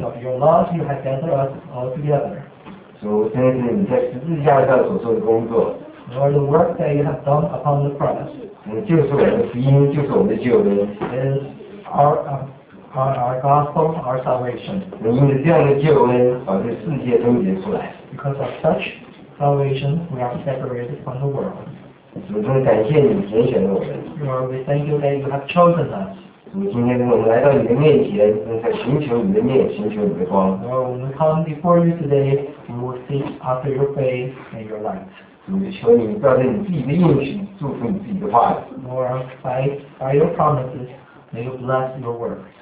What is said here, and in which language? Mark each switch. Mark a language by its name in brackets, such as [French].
[English] of your love, you have gathered us all together. [Chinese] 主，真的是你在十字架上所做的工作。 [English] Lord, the work that you have done upon the cross. [Chinese] 就是我们的福音，就是我们的救恩。 [English] Is our gospel, our salvation. [Chinese] 你因着这样的救恩，把这世界分别出来。 [English] Because of such salvation, we are separated from the world. [Chinese] 主，真的感谢你拣选了我们。 [English] Lord, we thank you that you have chosen us. [Chinese] 主，今天我们来到你的面前，在寻求你的面，寻求你的光。 [English] Lord, when we come before you today, we will seek after your face and your light. [Chinese] 主，求你照着你自己的应许，祝福你自己的话语。 [English] Lord, by your promises, may you bless your word.